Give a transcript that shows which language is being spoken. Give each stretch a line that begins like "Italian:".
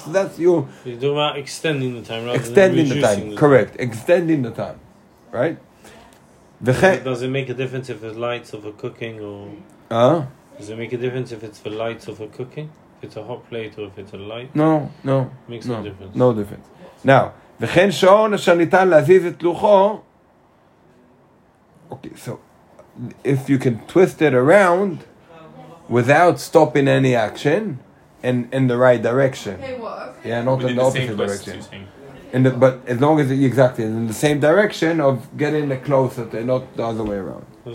English: So that's you. You're talking about extending the time, rather extending than reducing the time. Correct. Extending the time. Right? Does it make a difference if it's lights or for cooking? Or does it make a difference if it's for lights or for cooking? It's a hot plate or if it's a light? No difference. Now,
Hebrew: וכן שעון אשר ניתן להזיז את לוחו.
English: Okay, so if you can twist it around without stopping any action and in the right direction. Okay, what? Yeah, not in the opposite direction. But as long as it's exactly in the same direction of getting it closer, not the other way around.